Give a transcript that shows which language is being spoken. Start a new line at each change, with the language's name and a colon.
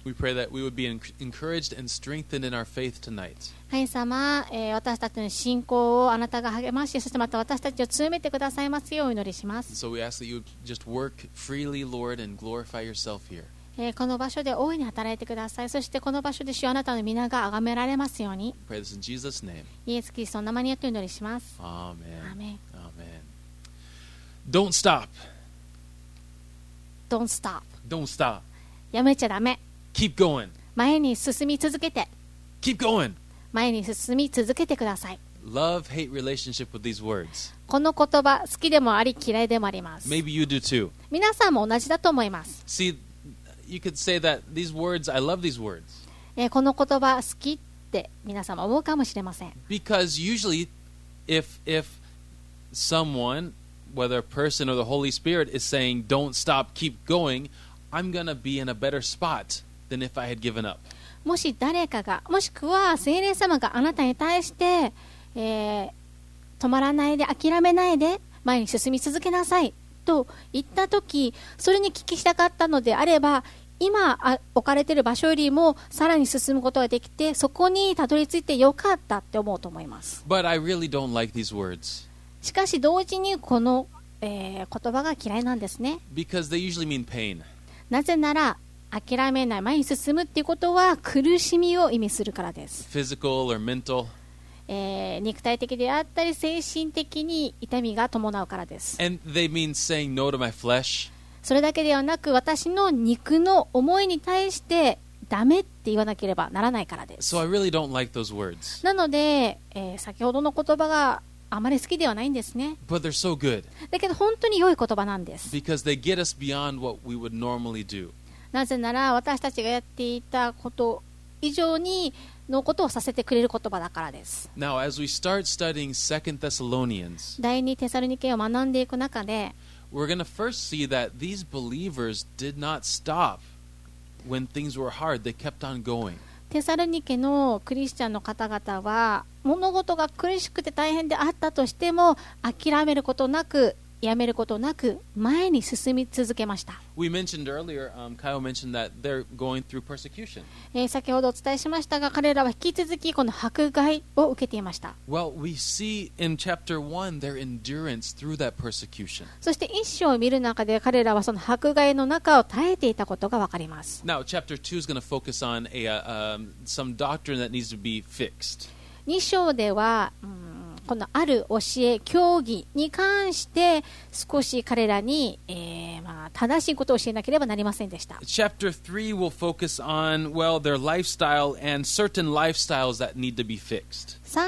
English: We pray that we would be encouraged and strengthened in our faith tonight.
Japanese: 神様、私たちの信仰をあなたが励まし、そしてまた私たちを強めてくださいますようお祈りします。
English: So we ask that you would just work freely, Lord, and glorify yourself here.
Japanese: この場所で大いに働いてください。そしてこの場所で主あなたの皆が崇められますように。
English: Pray this in Jesus' name.
Japanese: イエス・キリストの名前によって祈りします。
English: Amen. Amen. Amen. Don't stop. Don't stop. Don't stop.
Japanese: やめちゃダメ。
English: Keep going.
Japanese: 前に進み続けて。
English: Keep going.
Japanese: 前に進み続けてください。
English: Love, hate relationship with these words.
Japanese: この言葉、好きでもあり嫌いでもあります。
English: Maybe you do too.
Japanese: 皆さんも同じだと思います。
English: See, you could say that these words, I love these words.
Japanese: この言葉、好きって皆さんも思うかもしれません。
English: Because usually, if someone, whether a person or the Holy Spirit, is saying, don't stop, keep going, I'm gonna be in a better spot than if I had given up.
Japanese: もし誰かが、もしくは聖霊様があなたに対して、止まらないで、諦めないで、前に進み続けなさいと言ったとき、それに聞きしたかったのであれば、今置かれている場所よりもさらに進むことができて、そこにたどり着いてよかったって思うと思います。
English: But I really don't like these words.
Japanese: しかし同時にこの、言葉が嫌いなんですね。
English: Because they usually mean pain.
Japanese: なぜなら諦めない、前に進むっていうことは苦しみを意味するからです。
English: Physical or mental.
Japanese: 肉体的であったり精神的に痛みが伴うからです。
English: And they mean saying no to my flesh.
Japanese: それだけではなく、私の肉の思いに対してダメって言わなければならないからです。
English: So I really don't like those words.
Japanese: なので、先ほどの言葉があまり好きではないんですね。
English: But they're so good.
Japanese: だけど本当に良い言葉なんです。
English: Because they get us beyond what we would normally do.
Japanese: なぜなら私たちがやっていたこと以上にのことをさせてくれる言葉だからです。
English: Now, as we start studying 2 Thessalonians,
Japanese: 第二テサロニケを学んでいく中で、
English: we're going to first see that these believers did not stop when things were hard. They kept on going.
Japanese: テサロニケのクリスチャンの方々は物事が苦しくて大変であったとしても諦めることなく、やめることなく前に進み続けました。
English: We mentioned earlier, Kyle mentioned that they're going through persecution.
Japanese: 先ほどお伝えしましたが、彼らは引き続きこの迫害を受けていました。
English: Well, we see in chapter 1 their endurance through that persecution.
Japanese: そして一章を見る中で彼らはその迫害の中を耐えていたことがわかります。
English: Now, chapter 2 is going to focus on some doctrine that needs to be fixed.
Japanese: 2章では、このある教え、教義に関して少し彼らに、正しいことを教えなければなりませんでした。
English: Chapter 3 will focus on, well, their lifestyle and certain lifestyles that need to be fixed.